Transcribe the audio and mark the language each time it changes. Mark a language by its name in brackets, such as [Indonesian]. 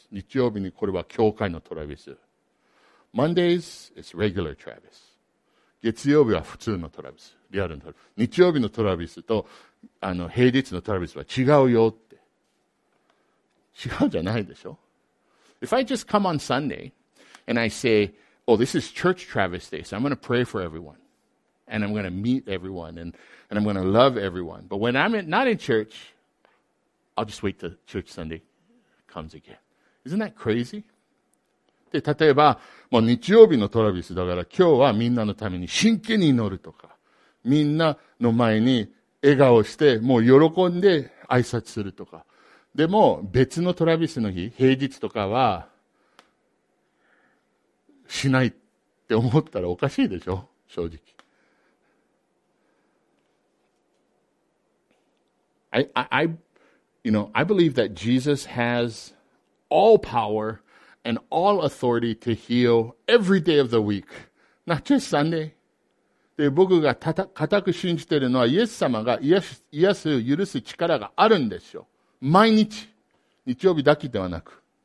[Japanese] 日曜日にこれは教会のトラビス。 [English] Mondays, it's regular Travis. [Japanese] 月曜日は普通のトラビス。リアルのトラビス。日曜日のトラビスと平日のトラビスは違うよって。違うじゃないでしょ。 [English] If I just come on Sunday and I say, oh, this is church Travis day, so I'm going to pray for everyone. And I'm going to meet everyone and I'm going to love everyone. But when I'm not in church... I'll just wait till church Sunday comes again. Isn't that crazy? [Japanese] で、例えば、もう日曜日のトラビスだから、今日はみんなのために真剣に祈るとか、みんなの前に笑顔して、もう喜んで挨拶するとか。でも、別のトラビスの日、平日とかは、しないって思ったらおかしいでしょ？正直。 [English] I believe that Jesus has all power and all authority to heal every day of the week, not just Sunday. [Japanese] で、僕が固く信じてるのは、イエス様が癒す力があるんですよ。毎日。日曜日だけではなく。